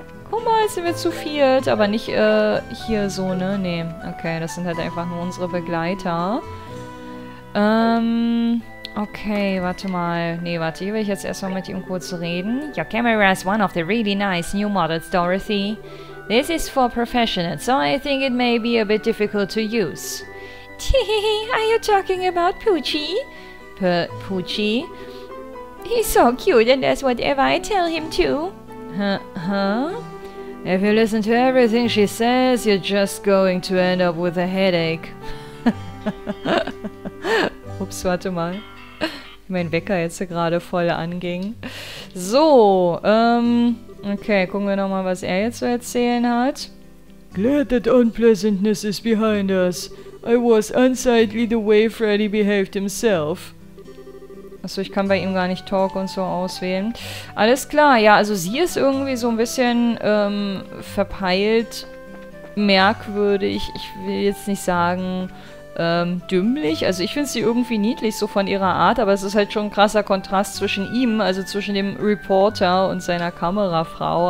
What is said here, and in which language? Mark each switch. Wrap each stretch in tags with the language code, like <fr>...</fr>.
<de>Guck mal, sind wir zu viert, aber nicht hier so, ne? Nee. Okay, das sind halt einfach nur unsere Begleiter. Okay, warte mal. Nee, warte, hier will ich jetzt erstmal mit ihm kurz reden.</de> <en>Your camera is one of the really nice new models, Dorothy. This is for professionals, so I think it may be a bit difficult to use. Tee, are you talking about Poochie? Poochie? He's so cute and does whatever I tell him to. Huh? If you listen to everything she says, you're just going to end up with a headache.</en> <de>Ups, warte mal. Mein Wecker jetzt gerade voll anging. So, okay, gucken wir nochmal, was er jetzt zu erzählen hat.</de> <en>Glad that unpleasantness is behind us. I was unsightly the way Freddy behaved himself.</en> <de>Achso, ich kann bei ihm gar nicht Talk und so auswählen. Alles klar, ja, also sie ist irgendwie so ein bisschen verpeilt, merkwürdig. Ich will jetzt nicht sagen dümmlich. Also ich finde sie irgendwie niedlich, so von ihrer Art, aber es ist halt schon ein krasser Kontrast zwischen ihm, also zwischen dem Reporter und seiner Kamerafrau.</de>